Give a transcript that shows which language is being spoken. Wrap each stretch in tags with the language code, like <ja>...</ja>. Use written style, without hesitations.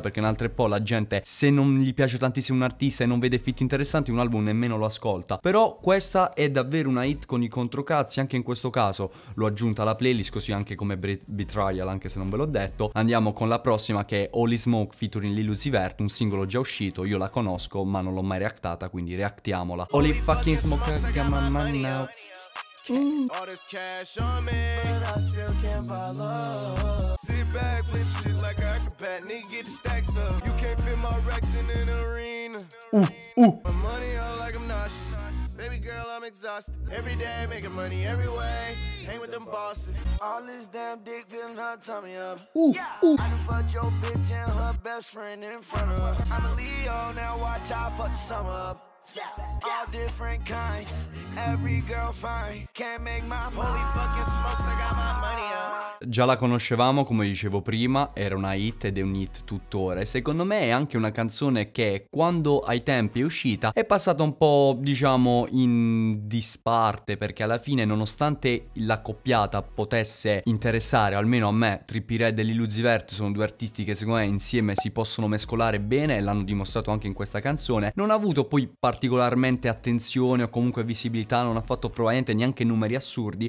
<it>Perché in altre po' la gente, se non gli piace tantissimo un artista e non vede feat interessanti, un album nemmeno lo ascolta. Però questa è davvero una hit con i controcazzi, anche in questo caso. L'ho aggiunta alla playlist così anche come Betrayal, anche se non ve l'ho detto. Andiamo con la prossima che è Holy Smoke featuring Lil Uzi Vert, un singolo già uscito. Io la conosco, ma non l'ho mai reactata, quindi reactiamola.</it> <en>Holy fucking smoke, I got my money out. All this cash on me, but I still can't buy love. Sit back with shit like I could pat, need to get the stacks up. You can't fit my racks in an arena. My money all like I'm nauseous. Baby girl, I'm exhausted. Every day making money every way. Hang with them bosses. All this damn dick filling her tummy up. I done fucked your bitch and her best friend in front of her. I'm a Leo, now watch I fuck the sum up. All different kinds, every girl fine. Can't make my holy fucking smokes, I got my money up.</en> <it>Già la conoscevamo, come dicevo prima, era una hit ed è un hit tuttora. E secondo me è anche una canzone che quando ai tempi è uscita è passata un po', diciamo, in disparte. Perché alla fine, nonostante l'accoppiata potesse interessare, almeno a me, Trippie Redd e Lil Uzi Vert sono due artisti che secondo me insieme si possono mescolare bene, e l'hanno dimostrato anche in questa canzone, non ha avuto poi particolarmente attenzione o comunque visibilità, non ha fatto probabilmente neanche numeri assurdi.</it>